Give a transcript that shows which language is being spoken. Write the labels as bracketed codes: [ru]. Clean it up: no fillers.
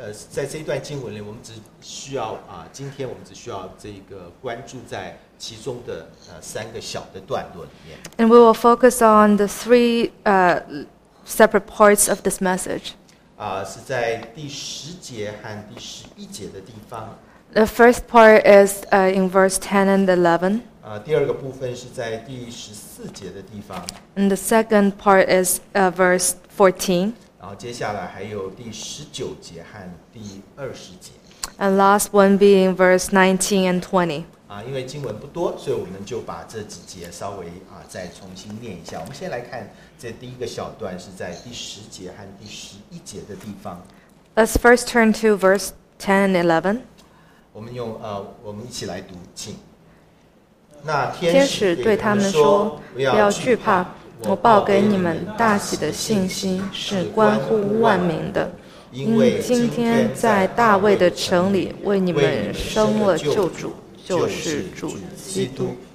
[zh] 在这一段经文里，我们只需要今天我们只需要这个关注在其中的三个小的段落里面。 [en] And we will focus on the three separate parts of this message. [zh] 是在第十节和第十一节的地方。 [en] The first part is in verse 10 and 11. [zh] 第二个部分是在第十四节的地方。 [en] And the second part is verse 14. [zh] 然后接下来还有第十九节和第二十节。 [en] And last one being verse 19 and 20. [zh] 因为经文不多，所以我们就把这几节稍微再重新念一下。我们先来看这第一个小段是在第十节和第十一节的地方。 [en] Let's first turn to verse 10 and 11. [zh] 我们用我们一起来读，请。那天使对他们说：“不要惧怕。” 我报给你们大喜的信息是关乎万民的，因为今天在大卫的城里为你们生了救主，就是主基督。